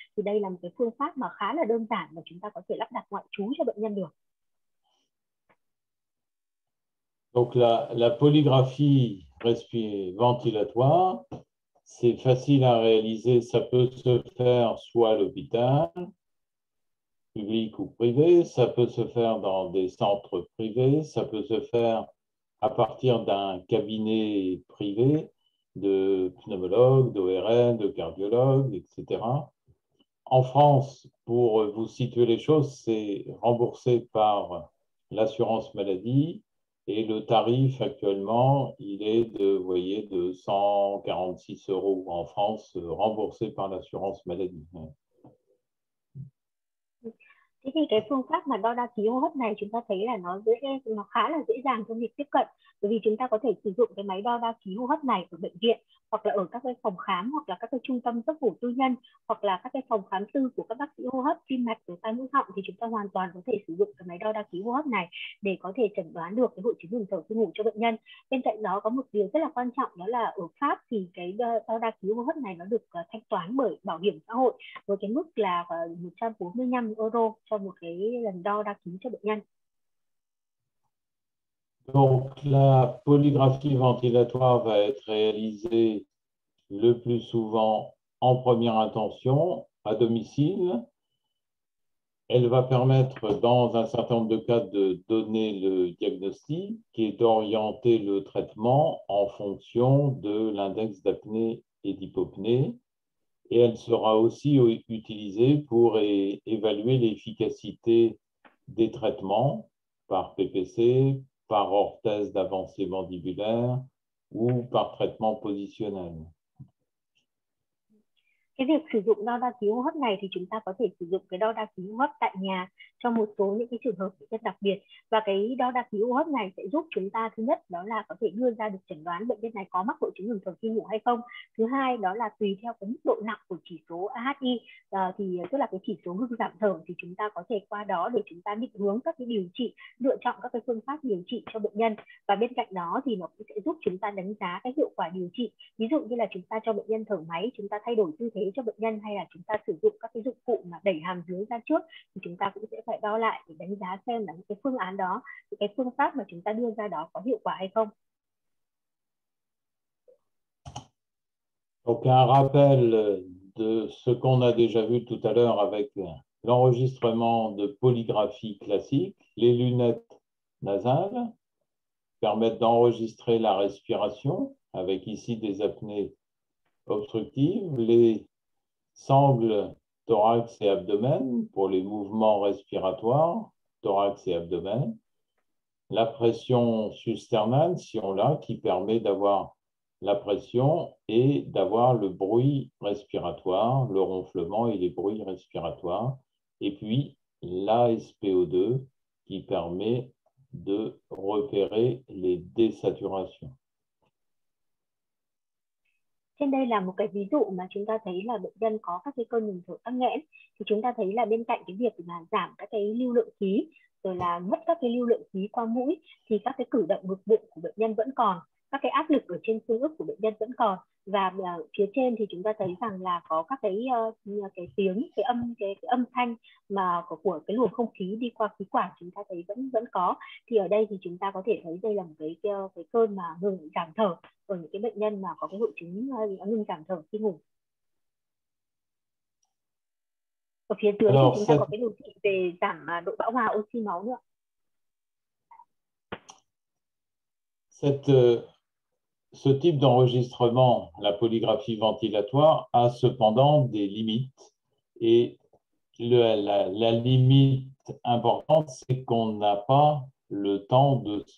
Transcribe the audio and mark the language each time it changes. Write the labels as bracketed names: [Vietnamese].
[Vietnamese] Thì đây là một cái phương pháp mà khá là đơn giản mà chúng ta có thể lắp đặt ngoại trú cho bệnh nhân được. [French] Donc la polygraphie ventilatoire, c'est facile à réaliser, ça peut se faire soit à l'hôpital public ou privé, ça peut se faire dans des centres privés, ça peut se faire à partir d'un cabinet privé de pneumologue, d'ORL, de cardiologue, etc. En France, pour vous situer les choses, c'est remboursé par l'assurance maladie et le tarif actuellement, il est de, vous voyez, de 146 euros en France remboursé par l'assurance maladie. [Vietnamese] Thế thì cái phương pháp mà đo đa ký hô hấp này chúng ta thấy là nó khá là dễ dàng trong việc tiếp cận, bởi vì chúng ta có thể sử dụng cái máy đo đa ký hô hấp này ở bệnh viện, hoặc là ở các cái phòng khám, hoặc là các cái trung tâm giấc ngủ tư nhân, hoặc là các cái phòng khám tư của các bác sĩ hô hấp tim mạch ở tai mũi họng, thì chúng ta hoàn toàn có thể sử dụng cái máy đo đa ký hô hấp này để có thể chẩn đoán được cái hội chứng ngừng thở khi ngủ cho bệnh nhân. Bên cạnh đó có một điều rất là quan trọng, đó là ở Pháp thì cái đo đa ký hô hấp này nó được thanh toán bởi bảo hiểm xã hội với cái mức là 145 euro cho một cái lần đo đa ký cho bệnh nhân. [French] Donc, la polygraphie ventilatoire va être réalisée le plus souvent en première intention, à domicile. Elle va permettre, dans un certain nombre de cas, de donner le diagnostic et d'orienter le traitement en fonction de l'index d'apnée et d'hypopnée. Et elle sera aussi utilisée pour évaluer l'efficacité des traitements par PPC, par orthèse d'avancée mandibulaire ou par traitement positionnel. [Vietnamese] Cái việc sử dụng đo đa ký hô hấp này thì chúng ta có thể sử dụng cái đo đa ký hô hấp tại nhà cho một số những cái trường hợp rất đặc biệt. Và cái đo đa ký hô hấp này sẽ giúp chúng ta, thứ nhất đó là có thể đưa ra được chẩn đoán bệnh nhân này có mắc hội chứng ngừng thở khi ngủ hay không. Thứ hai đó là tùy theo cái mức độ nặng của chỉ số AHI, thì tức là cái chỉ số ngưng giảm thở, thì chúng ta có thể qua đó để chúng ta định hướng các cái điều trị, lựa chọn các cái phương pháp điều trị cho bệnh nhân. Và bên cạnh đó thì nó cũng sẽ giúp chúng ta đánh giá cái hiệu quả điều trị. Ví dụ như là chúng ta cho bệnh nhân thở máy, chúng ta thay đổi tư thế cho bệnh nhân, hay là chúng ta sử dụng các cái dụng cụ mà đẩy hàm dưới ra trước, thì chúng ta cũng sẽ phải đo lại để đánh giá xem là những cái phương án đó, những cái phương pháp mà chúng ta đưa ra đó có hiệu quả hay không. [French] Donc un rappel de ce qu'on a déjà vu tout à l'heure avec l'enregistrement de polygraphie classique, les lunettes nasales permettent d'enregistrer la respiration avec ici des apnées obstructives, les sangles thorax et abdomen pour les mouvements respiratoires, thorax et abdomen, la pression susternale, si on l'a, qui permet d'avoir la pression et d'avoir le bruit respiratoire, le ronflement et les bruits respiratoires, et puis l'ASPO2 qui permet de repérer les désaturations. [Vietnamese] Trên đây là một cái ví dụ mà chúng ta thấy là bệnh nhân có các cái cơn ngừng thở tắc nghẽn, thì chúng ta thấy là bên cạnh cái việc mà giảm các cái lưu lượng khí rồi là mất các cái lưu lượng khí qua mũi thì các cái cử động ngực bụng của bệnh nhân vẫn còn, các cái áp lực ở trên xương ức của bệnh nhân vẫn còn, và phía trên thì chúng ta thấy rằng là có các cái tiếng, cái âm thanh mà của cái luồng không khí đi qua khí quản chúng ta thấy vẫn vẫn có. Thì ở đây thì chúng ta có thể thấy đây là một cái cơn mà ngừng giảm thở ở những cái bệnh nhân mà có cái hội chứng ngừng giảm thở khi ngủ. Ở phía dưới thì chúng ta có cái điều trị về giảm độ bão hòa oxy máu nữa. [French] Ce type d'enregistrement, la polygraphie ventilatoire, a cependant des limites. Et la limite importante, c'est qu'on n'a pas le temps de...